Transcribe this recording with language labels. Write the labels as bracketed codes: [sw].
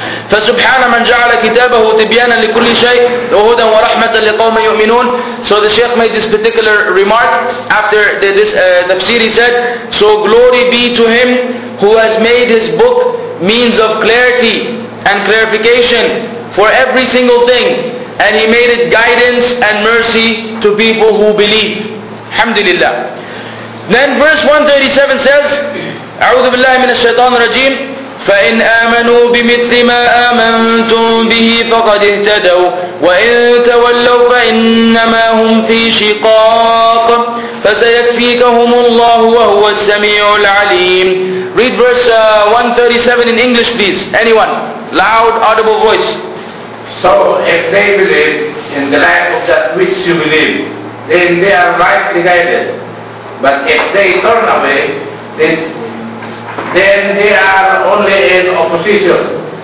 [ar] فسبحان من جعل كتابه تبيانا لكل شيء وهدى ورحمة لقوم يؤمنون. [en] So the Shaykh made this particular remark after this tafsir. He said, so glory be to him who has made his book means of clarity and clarification for every single thing, and he made it guidance and mercy to people who believe. Alhamdulillah. Then verse 137 says, [ar] أعوذ بالله من الشيطان الرجيم. فإن آمنوا بمثل ما آمنتم به فقد اهتدوا وإن تولوا فإنما هم في شقاق فسيكفيكهم الله وهو السميع العليم. [en] Read verse 137 in English please. Anyone? Loud, audible voice. So if they believe in the life of that which you believe, then they are rightly guided. But if they turn away, then they are only in opposition.